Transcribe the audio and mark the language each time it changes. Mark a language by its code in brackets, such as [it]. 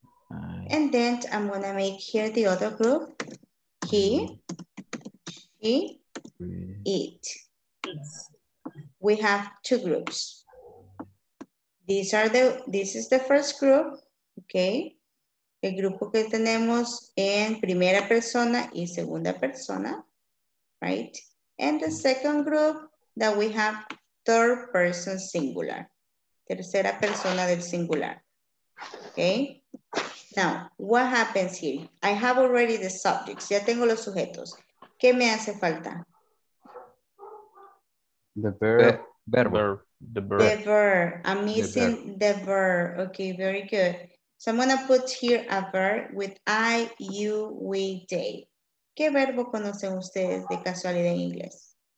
[en] And then I'm gonna make here the other group, he, she, it. we have two groups. These are the, this is the first group, okay? [es] El grupo que tenemos en primera persona y segunda persona, right? [en] And the second group that we have third person singular, [es] tercera persona del singular, [en] okay? Now, what happens here? I have already the subjects, [es] ya tengo los sujetos. ¿Qué me hace falta? [en] The verb. The verb. I'm missing the verb. Okay, very good. So I'm going to put here a verb with I, you, we, they. [es] ¿Qué verbo conocen ustedes de casualidad en inglés?